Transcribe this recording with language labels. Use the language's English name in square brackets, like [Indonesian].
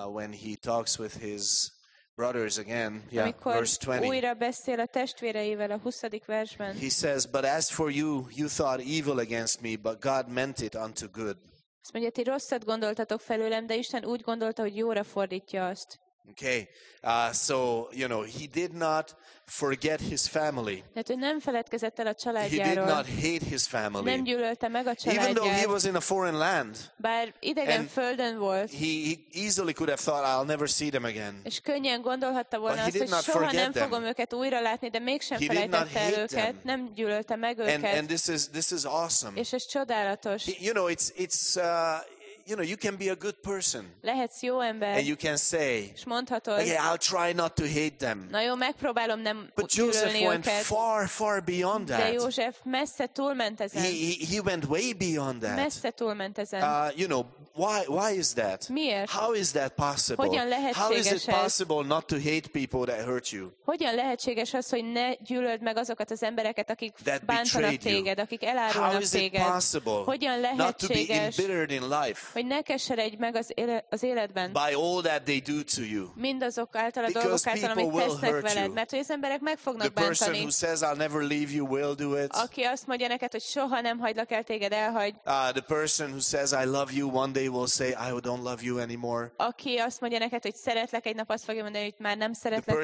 [English] When he talks with his brothers again, yeah, amikor verse 20. [Hungarian] Újra beszél a testvéreivel a 20. versben. [English] He says, but as for you, you thought evil against me, but God meant it unto good. [Hungarian] Azt mondja, ti rosszat gondoltatok felőlem, de Isten úgy gondolta, hogy jóra fordítja azt. [English] Okay, so you know he did not forget his family. [Hungarian] Hát ő nem feledkezett el a családjáról. [English] He did not hate his family. [Hungarian] Nem gyűlölte meg a családját. [English] Even though he was in a foreign land. [Hungarian] Bár idegen földön volt. [English] He easily could have thought, I'll never see them again. [Hungarian] És könnyen gondolhatta volna azt, hogy soha nem fogom őket újra látni, de mégsem felejtette el őket. Nem gyűlölte meg őket. [English] And this is awesome. [Hungarian] És ez csodálatos. [English] You know, it's you can be a good person. [Hungarian] Lehetsz jó ember. [English] And you can say, okay, I'll try not to hate them. [Hungarian] Na jó, megpróbálom nem [English] but Joseph went far, far beyond that. [Hungarian] De József messze túlment ezen. [English] He went way beyond that. [Hungarian] Messze túlment ezen. [English] You know, why is that? [Hungarian] Miért? [English] How is that possible? [Hungarian] Hogyan lehetséges? [English] How is it possible not to hate people that hurt you? [Hungarian] Hogyan lehetséges az, hogy ne gyűlöld meg azokat az embereket, akik bántanak téged, akik elárulnak téged? [English] How is it possible? [Hungarian] Hogyan lehetséges? [English] Not to be embittered in life. [Hungarian] Hogy ne keseredj meg az életben. [English] By all that they do to you. [Hungarian] Mindazok által a dolgok által, amit tesznek veled. Mert hogy az emberek meg fognak bántani. [English] The person who says, I'll never leave you will do it. [Hungarian] Aki azt mondja neked, hogy soha nem hagylak el téged, elhagy. [English] The person who says, I love you, one day will say, I don't love you anymore. [Hungarian] Aki azt mondja neked, hogy szeretlek, egy nap azt fogja mondani, hogy már nem szeretlek többé.